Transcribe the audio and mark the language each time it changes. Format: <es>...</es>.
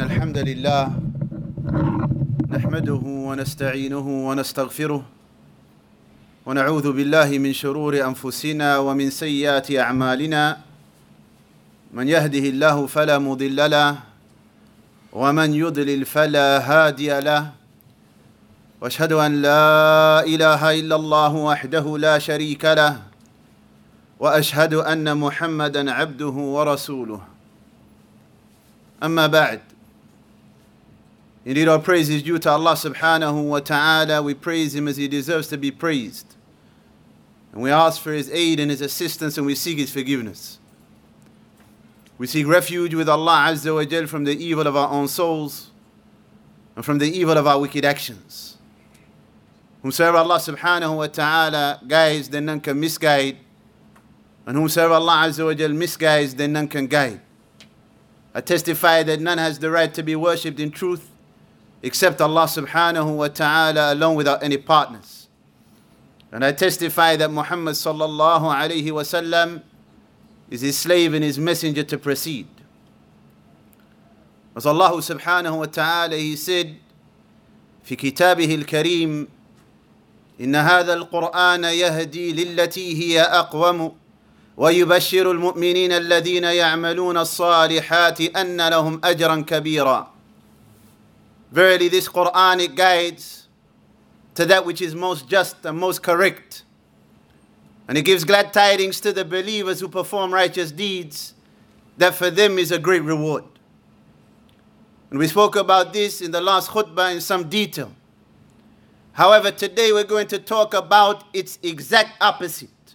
<ar>الحمد لله نحمده ونستعينه ونستغفره ونعوذ بالله من شرور أنفسنا ومن سيئات أعمالنا من يهده الله فلا مضل له ومن يضلل فلا هادي له وأشهد أن لا إله إلا الله وحده لا شريك له وأشهد أن محمدًا عبده ورسوله أما بعد.</ar> <en>Indeed, our praise is due to Allah subhanahu wa ta'ala. We praise Him as He deserves to be praised. And we ask for His aid and His assistance, and we seek His forgiveness. We seek refuge with Allah Azza wa Jal from the evil of our own souls and from the evil of our wicked actions. Whomsoever Allah subhanahu wa ta'ala guides, then none can misguide. And whomsoever Allah Azza wa Jal misguides, then none can guide. I testify that none has the right to be worshipped in truth except Allah subhanahu wa ta'ala alone without any partners. And I testify that Muhammad sallallahu alayhi wa sallam is his slave and his messenger to proceed. As Allah subhanahu wa ta'ala, he said,</en> <ar>في كتابه الكريم إن هذا القرآن يهدي للتي هي أقوم ويبشر المؤمنين الذين يعملون الصالحات أن لهم أجرا كبيرا.</ar> <en>Verily this Quran, it guides to that which is most just and most correct. And it gives glad tidings to the believers who perform righteous deeds, that for them is a great reward. And we spoke about this in the last khutbah in some detail. However, today we're going to talk about its exact opposite.</en>